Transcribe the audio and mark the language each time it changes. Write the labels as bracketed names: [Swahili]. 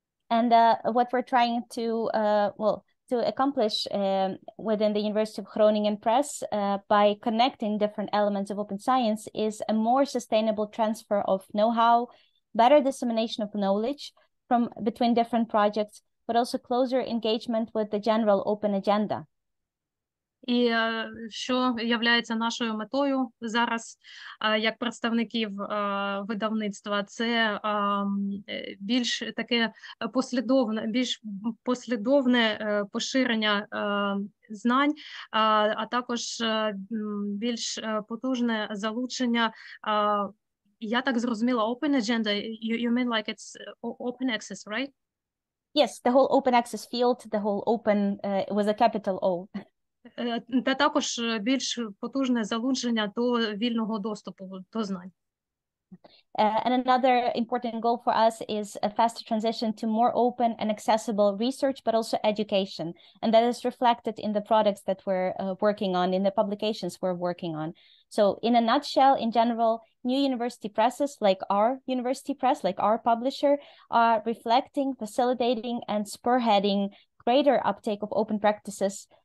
[English] And what we're trying to to accomplish within the University of Groningen Press by connecting different elements of open science is a more sustainable transfer of know-how, better dissemination of knowledge from between different projects, but also closer engagement with the general open agenda. [Ukrainian] І що є нашою метою зараз як представників видавництва, це більш таке послідовне, більш послідовне поширення знань, а також більш потужне залучення. Я так зрозуміла, [English] open agenda, you mean like it's open access, right? Yes, the whole open access field, the whole open was a capital O. [Ukrainian] Та також більш потужне залучення до вільного доступу до знань. [English] And another important goal for us is a faster transition to more open and accessible research, but also education. And that is reflected in the products that we're working on, in the publications we're working on. So in a nutshell, in general, new university presses like our university press, like our publisher, are reflecting, facilitating, and spearheading greater uptake of open practices.